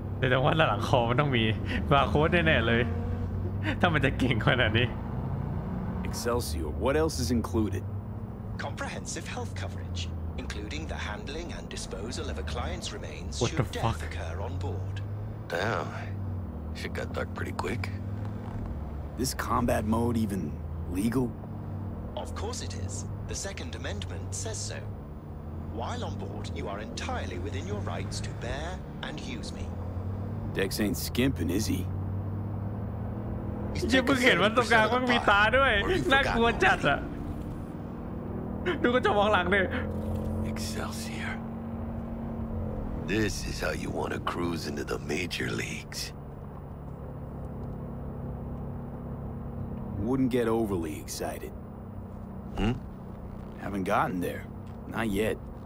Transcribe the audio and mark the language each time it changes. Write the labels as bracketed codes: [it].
[th] แต่ว่าหลังคอมันต้องมีบาร์โค้ดแน่ๆเลยถ้ามันจะเก่งขนาดนี้ [en] Excelsior, what else is included? Comprehensive health coverage, including the handling and disposal of a client's remains should death occur on board. Damn, shit got dark pretty quick. This combat mode even legal? Of course it is. The Second Amendment says so. While on board, you are entirely within your rights to bear and use me. Dex ain't skimping, is he? [th] ยังเพิ่งเห็นว่าตรงกลางมันมีตาด้วยน่ากลัวจัดอ่ะดูก็จะมองหลังเลย [en] Excelsior. This is how you want to cruise into the major leagues. Wouldn't get overly excited. Hmm? Haven't gotten there. Not yet.